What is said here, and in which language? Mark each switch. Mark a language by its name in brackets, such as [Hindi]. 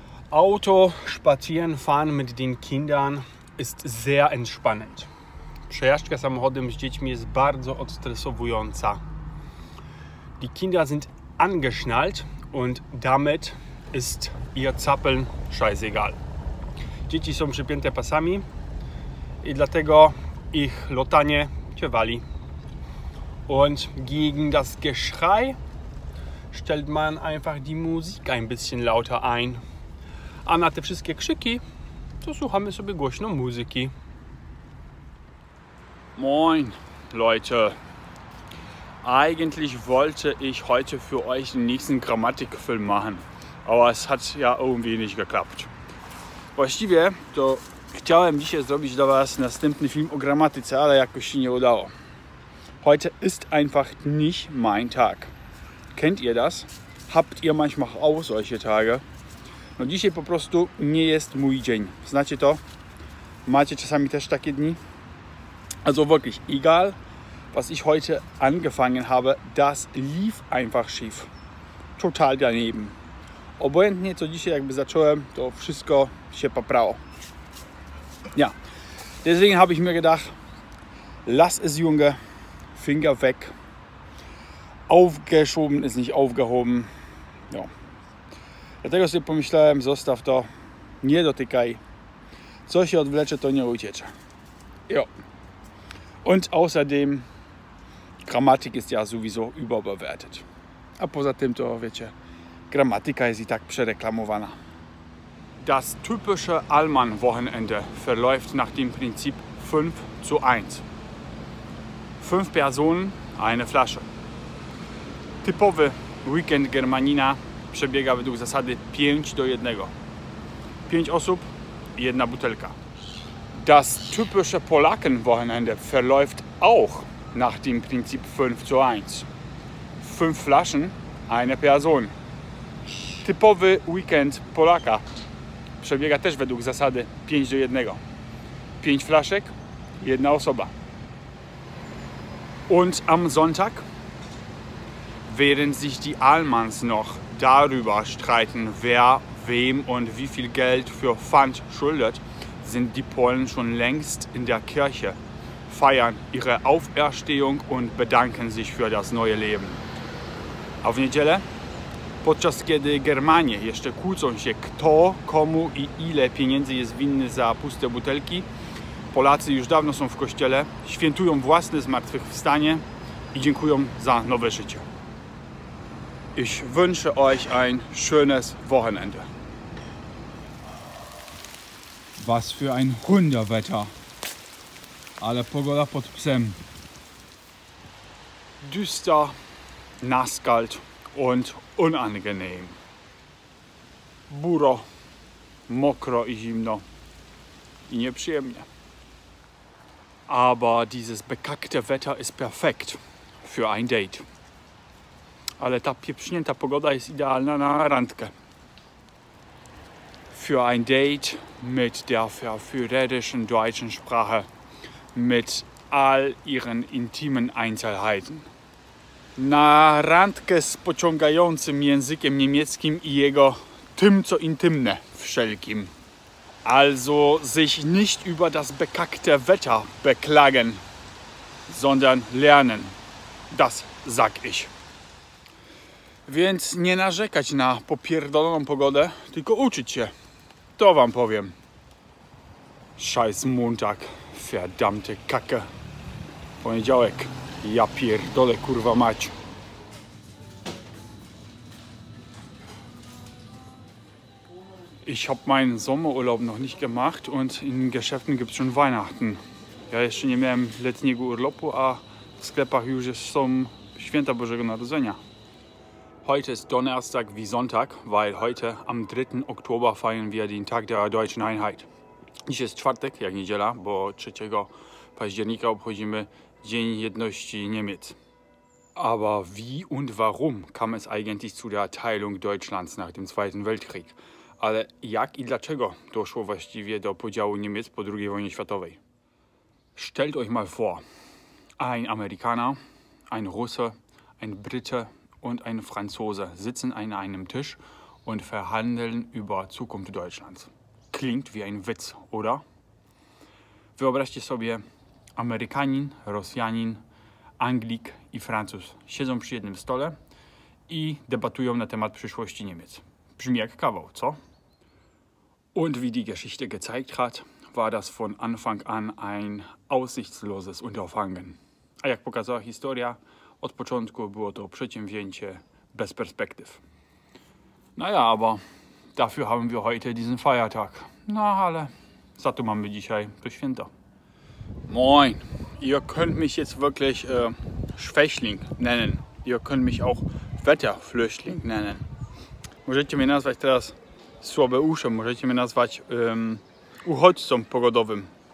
[German] Auto spazieren fahren mit den Kindern ist sehr entspannend. [Polish] Przejażdżka samochodem z dziećmi jest bardzo odstresowująca. [German] Die Kinder sind angeschnallt und damit ist ihr Zappeln scheißegal. [Polish] Dzieci są przypięte pasami i dlatego ich lotanie cię wali. [German] Und gegen das Geschrei stellt man einfach die Musik ein bisschen lauter ein. [Polish] A na te wszystkie krzyki, to słuchamy sobie głośno muzyki. [German] Moin, Leute. Eigentlich wollte ich heute für euch den nächsten Grammatikfilm machen, aber es hat ja irgendwie nicht geklappt. [Polish] Właściwie to chciałem dzisiaj zrobić dla was następny film o gramatyce, ale jakoś się nie udało. [German] Heute ist einfach nicht mein Tag. Kennt ihr das? Habt ihr manchmal auch solche Tage? [Polish] No dzisiaj po prostu nie jest mój dzień. Znacie to? Macie czasami też takie dni? [German] Also wirklich, egal was ich heute angefangen habe, das lief einfach schief. Total daneben. [Polish] Obojętnie co dzisiaj jakby zacząłem, to wszystko się poprało. [German] Ja, deswegen habe ich mir gedacht, lass es Junge, Finger weg. Aufgeschoben ist nicht aufgehoben. Ja. [Polish] Dlatego sobie pomyślałem, zostaw to, nie dotykaj. Co się odwlecze, to nie uciecze. [German] Jo. Und außerdem, Grammatik ist ja sowieso überbewertet. [Polish] A poza tym to, wiecie, Grammatika jest i tak przereklamowana. [German] Das typische Allmann-Wochenende verläuft nach dem Prinzip 5 zu 1. 5 Personen, eine Flasche. [Polish] Typowy Weekend Germanina przebiega według zasady 5 do 1. 5 osób, jedna butelka. [German] Das typische Polaken-Wochenende verläuft auch nach dem Prinzip 5 zu 1. 5 Flaschen, eine Person. [Polish] Typowy Weekend Polaka przebiega też według zasady 5 do 1. 5 flaszek, jedna osoba. [German] Und am Sonntag? Während sich die Allmanns noch darüber streiten, wer wem und wie viel Geld für Pfand schuldet, sind die Polen schon längst in der Kirche, feiern ihre Auferstehung und bedanken sich für das neue Leben. [Polish] Auf niedzielę, podczas kiedy Germanie jeszcze kłócą się, kto, komu i ile pieniędzy jest winny za puste butelki, Polacy już dawno są w kościele, świętują własne zmartwychwstanie i dziękują za nowe życie. [German] Ich wünsche euch ein schönes Wochenende. Was für ein Hundewetter. [Polish] Alle pogoda pod psem. [German] Düster, nasskalt und unangenehm. [Polish] Buro, mokro i zimno. I nieprzyjemnie. [German] Aber dieses bekackte Wetter ist perfekt für ein Date. [Polish] Ale ta pieprznięta pogoda jest idealna na randkę. [German] Für ein Date mit der verführerischen deutschen Sprache, mit all ihren intimen Einzelheiten. [Polish] Na randkę z pociągającym językiem niemieckim i jego tym, co intymne, wszelkim. [German] Also sich nicht über das bekackte Wetter beklagen, sondern lernen. Das sag ich. [Polish] Więc nie narzekać na popierdoloną pogodę, tylko uczyć się. To wam powiem. [German] Scheiß Montag, verdammte Kacke. [Polish] Poniedziałek, ja pierdolę, kurwa mać. [German] Ich hab meinen Sommerurlaub noch nicht gemacht und in den Geschäften gibt's schon Weihnachten. [Polish] Ja jeszcze nie miałem letniego urlopu, a w sklepach już są święta Bożego Narodzenia. [German] Heute ist Donnerstag wie Sonntag, weil heute am 3. Oktober feiern wir den Tag der Deutschen Einheit. [Polish] Dziś jest czwartek, jak niedziela, bo 3 października obchodzimy Dzień Jedności Niemiec. [German] Aber wie und warum kam es eigentlich zu der Teilung Deutschlands nach dem Zweiten Weltkrieg? [Polish] Ale jak i dlaczego doszło właściwie do podziału Niemiec po II wojnie światowej? [German] Stellt euch mal vor, ein Amerikaner, ein Russe, ein Brite und ein Franzose sitzen an einem Tisch und verhandeln über Zukunft Deutschlands. Klingt wie ein Witz, oder? [Polish] Wyobraźcie sobie, Amerykanin, Rosjanin, Anglik i Francuz siedzą przy jednym stole i debatują na temat przyszłości Niemiec. Brzmi jak kawał, co? [German] Und wie die Geschichte gezeigt hat, war das von Anfang an ein aussichtsloses Unterfangen. [Polish] A jak pokazała historia, od początku było to przedsięwzięcie bez perspektyw. [German] Naja, aber dafür haben wir heute diesen Feiertag. [Polish] Na, ale za to mamy dzisiaj to święto. [German] Moin, ihr könnt mich jetzt wirklich Schwächling nennen. Ihr könnt mich auch Wetterflüchtling nennen. [Polish] Możecie mnie nazwać teraz Słabeuszem, możecie mnie nazwać uchodźcą pogodowym.